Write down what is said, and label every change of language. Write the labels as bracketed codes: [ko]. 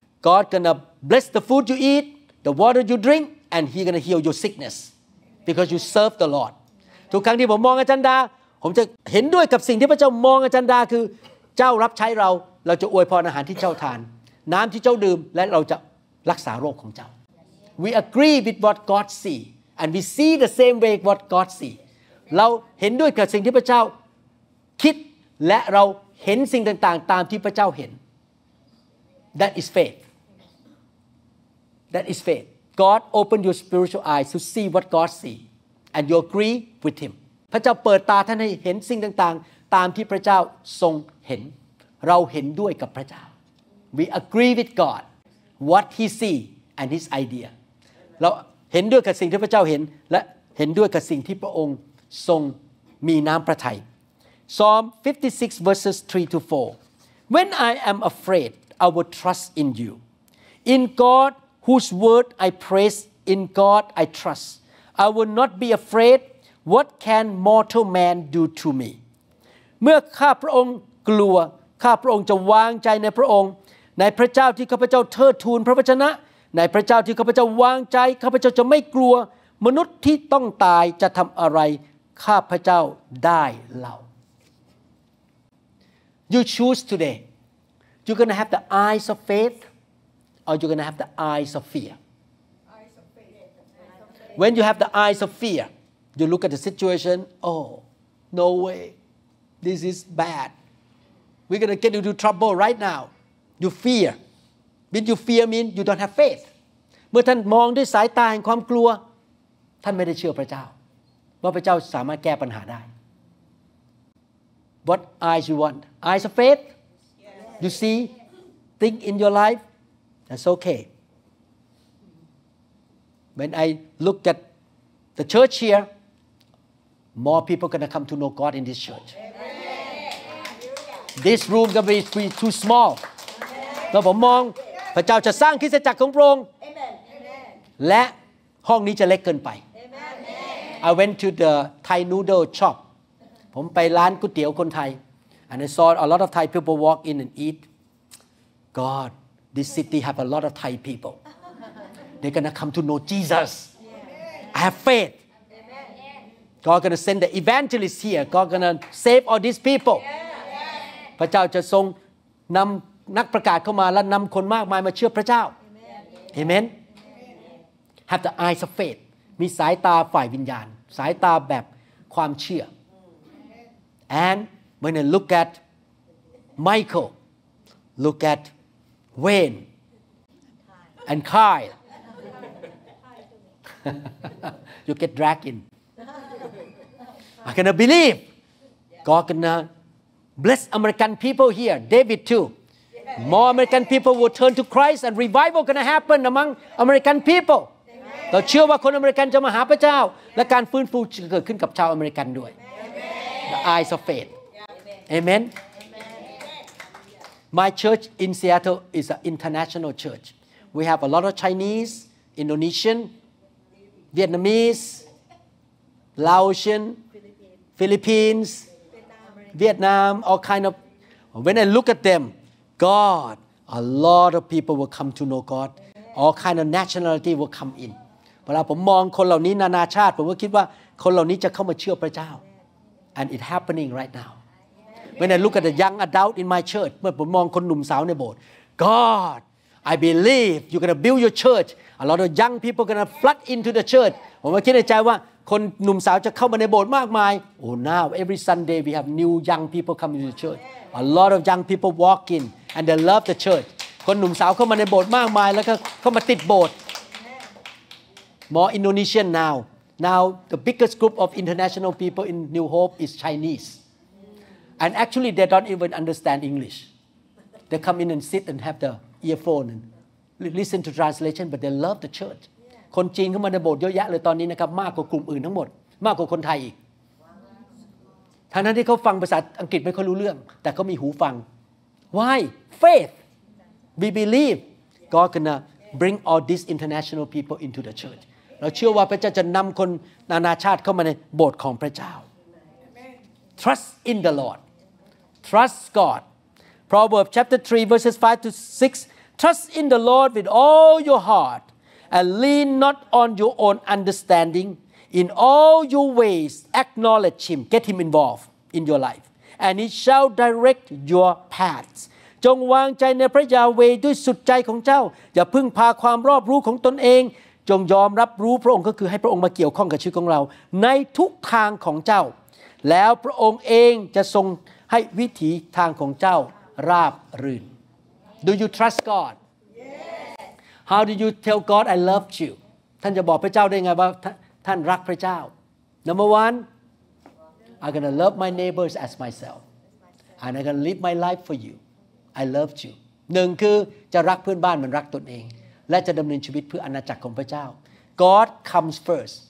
[en] God gonna bless the food you eat, the water you drink, and He gonna heal your sickness because you serve the Lord. [th] ทุกครั้งที่ผมมองอาจารย์ดาผมจะเห็นด้วยกับสิ่งที่พระเจ้ามองอาจารย์ดาคือเจ้ารับใช้เราเราจะอวยพรอาหารที่เจ้าทานน้ำที่เจ้าดื่มและเราจะรักษาโรคของเจ้า [en] We agree with what God see, and we see the same way what God see. [th] เราเห็นด้วยกับสิ่งที่พระเจ้าคิดและเราเห็นสิ่งต่างๆตามที่พระเจ้าเห็น [en] That is faithThat is faith. God open your spiritual eyes to see what God see, and you agree with Him. [th] พระเจ้าเปิดตาท่านให้เห็นสิ่งต่างๆตามที่พระเจ้าทรงเห็นเราเห็นด้วยกับพระเจ้า [en] We agree with God what He see and His idea. [th] เราเห็นด้วยกับสิ่งที่พระเจ้าเห็นและเห็นด้วยกับสิ่งที่พระองค์ทรงมีน้ำพระทัย [en] Psalm 56 verses 3 to 4. When I am afraid, I will trust in You, in GodWhose word I praise, in God I trust. I will not be afraid. What can mortal man do to me? [th] เมื่อข้าพระองค์กลัวข้าพระองค์จะวางใจในพระองค์ในพระเจ้าที่ข้าพเจ้าเทิดทูนพระวจนะในพระเจ้าที่ข้าพเจ้าวางใจข้าพเจ้าจะไม่กลัวมนุษย์ที่ต้องตายจะทำอะไรข้าพเจ้าได้เล่า [en] You choose today. You're gonna have the eyes of faith. Or you're going to have the eyes of fear. When you have the eyes of fear, you look at the situation, oh, no way, this is bad. We're going to get into trouble right now. You fear. When you fear means you don't have faith. [th] เมื่อท่านมองด้วยสายตาแห่งความกลัวท่านไม่ได้เชื่อพระเจ้าว่าพระเจ้าสามารถแก้ปัญหาได้ [en] What eyes you want? Eyes of faith? You see? Think in your lifeThat's okay. When I look at the church here, more people gonna come to know God in this church. Amen. This room gonna be too small. Now, if I look, [th] พระเจ้าจะสร้างคริสตจักรของพระองค์และห้องนี้จะเล็กเกินไป [en] Amen. I went to the Thai noodle shop. [th] ผมไปร้านก๋วยเตี๋ยวคนไทย [en] and I saw a lot of Thai people walk in and eat. God. This city have a lot of Thai people. They're gonna come to know Jesus. Yeah. I have faith. Amen. God gonna send the evangelist here. God gonna save all these people. [th] พระเจ้าจะทรงนำนักประกาศเข้ามาและนำคนมากมายมาเชื่อพระเจ้า [en] Amen. Have the eyes of faith. [th] มีสายตาฝ่ายวิญญาณสายตาแบบความเชื่อ [en] And when I look at Michael, look atWayne and Kyle, you get dragged in. I'm gonna believe God gonna bless American people here. David too. More American people will turn to Christ and revival gonna happen among American people. [th] เ ราเชื่อว่าคนอเมริกันจะมาหาพระเจ้าและการฟื้นฟูจะเกิดขึ้นกับชาวอเมริกันด้วย [en] The eyes of faith. Amen. My church in Seattle is an international church. We have a lot of Chinese, Indonesian, Vietnamese, Laotian, Philippines, Vietnam, all kind of. When I look at them, God, a lot of people will come to know God. All kind of nationality will come in. [th] เวลาผมมองคนเหล่านี้นานาชาติผมก็คิดว่าคนเหล่านี้จะเข้ามาเชื่อพระเจ้า [en] and it happening right now when I look at the young adult in my church [th] เมื่อผมมองคนหนุ่มสาวในโบสถ์ [en] God I believe you're gonna build your church a lot of young people gonna flood into the church [th] ผมก็คิดในใจว่าคนหนุ่มสาวจะเข้ามาในโบสถ์มากมาย [en] oh now every Sunday we have new young people coming to the church a lot of young people walk in and they love the church [th] คนหนุ่มสาวเข้ามาในโบสถ์มากมายแล้วก็เข้ามาติดโบสถ์ [en] More Indonesian now. Now the biggest group of international people in New Hope is Chinese. And actually they don't even understand English. They come in and sit and have the earphone and listen to translation but they love the church. [th] คนจีนเข้ามาในโบสถ์เยอะแยะเลยตอนนี้นะครับมากกว่ากลุ่มอื่นทั้งหมดมากกว่าคนไทยอีกทั้งนั้นที่เขาฟังภาษาอังกฤษไม่ค่อยรู้เรื่องแต่เขามีหูฟัง [en] Why? Faith. We believe God gonna bring all these international people into the church. [th] เราเชื่อว่าพระเจ้าจะนำคนนานาชาติเข้ามาในโบสถ์ของพระเจ้า [en] Trust in the Lord. Trust God. Proverbs chapter 3 verses 5 to 6. Trust in the Lord with all your heart and lean not on your own understanding. In all your ways acknowledge him. Get him involved in your life. And he shall direct your paths. [th] จงวางใจในพระยาเวด้วยสุดใจของเจ้าอย่าพึ่งพาความรอบรู้ของตนเองจงยอมรับรู้พระองค์ก็คือให้พระองค์มาเกี่ยวข้องกับชีวิตของเราในทุกทางของเจ้าแล้วพระองค์เองจะทรงให้วิถีทางของเจ้าราบรื่น [en] Do you trust God? Yes. How do you tell God I love you? [th] ท่านจะบอกพระเจ้าได้ไงว่าท่านรักพระเจ้า [en] Number one, I'm gonna love my neighbors as myself, and I'm gonna live my life for you. I love you. [th] 1 คือจะรักเพื่อนบ้านเหมือนรักตนเองและจะดำเนินชีวิตเพื่ออาณาจักรของพระเจ้า [en] God comes first.